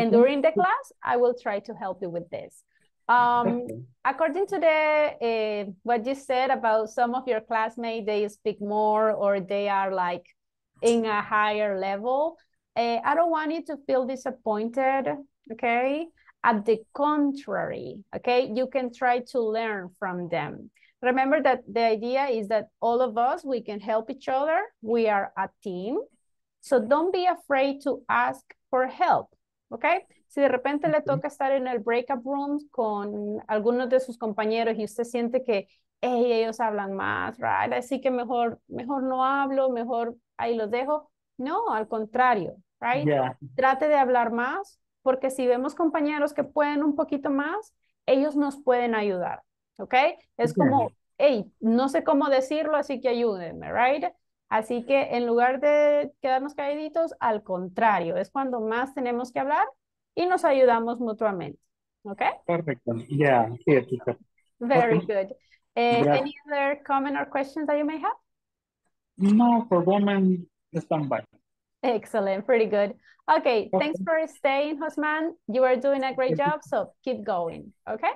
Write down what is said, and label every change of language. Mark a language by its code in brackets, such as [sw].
[en] And during the class, I will try to help you with this. According to the what you said about some of your classmates, they speak more or they are like in a higher level, I don't want you to feel disappointed, okay? At the contrary, okay, you can try to learn from them. Remember that the idea is that all of us, we can help each other. We are a team. So don't be afraid to ask for help, okay? [es] Si de repente le toca estar en el breakup room con algunos de sus compañeros y usted siente que hey, ellos hablan más, right? Así que mejor no hablo, mejor ahí los dejo. No, al contrario, right? [en] Yeah. [es] Trate de hablar más, porque si vemos compañeros que pueden un poquito más, ellos nos pueden ayudar, okay? Es como, hey, no sé cómo decirlo, así que ayúdenme, right? Así que en lugar de quedarnos calladitos, al contrario, es cuando más tenemos que hablar y nos ayudamos mutuamente, okay? Perfecto, yeah, sí, teacher. [en] Very good. Any other comment or questions that you may have? No, for women, stand by. Excellent, pretty good. Okay, thanks for staying, Hosman. You are doing a great job, so keep going, okay?